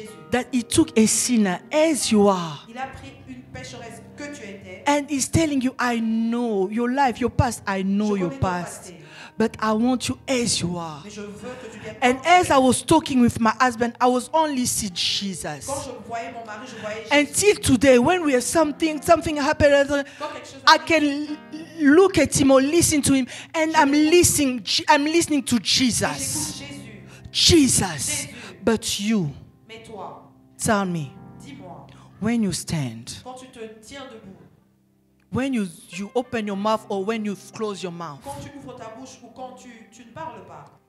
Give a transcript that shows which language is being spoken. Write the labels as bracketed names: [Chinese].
[English] That he took a sinner as you are. [French] Il a pris une pécheresse que tu étais. [English] And he's telling you, I know your life, your past, I know your past. But I want you as you are. [French] Mais je veux que tu [English] and as I was talking with my husband, I was only seeing Jesus. [French] Quand je voyais mon mari, je voyais Jesus. [English] Until today, when we have something happened, [French] quand quelque chose [English] I can look at him or listen to him, and I'm listening to Jesus. Jesus. But you, [French] mais toi, [English] tell me, [French] dis-moi, [English] when you stand, [French] quand tu te tiens debout, [English] when you open your mouth or when you close your mouth, [French] quand tu ouvres ta bouche ou quand tu ne parles pas,